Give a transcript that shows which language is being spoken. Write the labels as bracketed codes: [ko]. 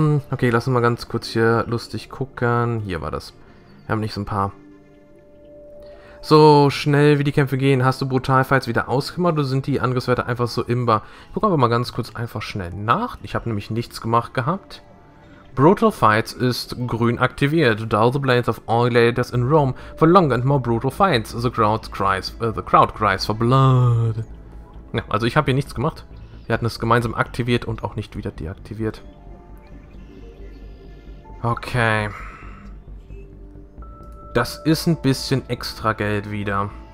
[de] Okay, lass uns mal ganz kurz hier lustig gucken. Hier war das. Wir haben nicht so ein paar. So schnell wie die Kämpfe gehen, hast du Brutalfights wieder ausgemacht oder sind die Angriffswerte einfach so imbar? Ich gucke aber mal ganz kurz einfach schnell nach. Ich habe nämlich nichts gemacht gehabt. Brutal Fights ist grün aktiviert. [en] Dull the blades of all gladiators in Rome for longer and more brutal fights. The crowd cries for blood. [de] Ja, also ich habe hier nichts gemacht. Wir hatten es gemeinsam aktiviert und auch nicht wieder deaktiviert. Okay. Das ist ein bisschen extra Geld wieder.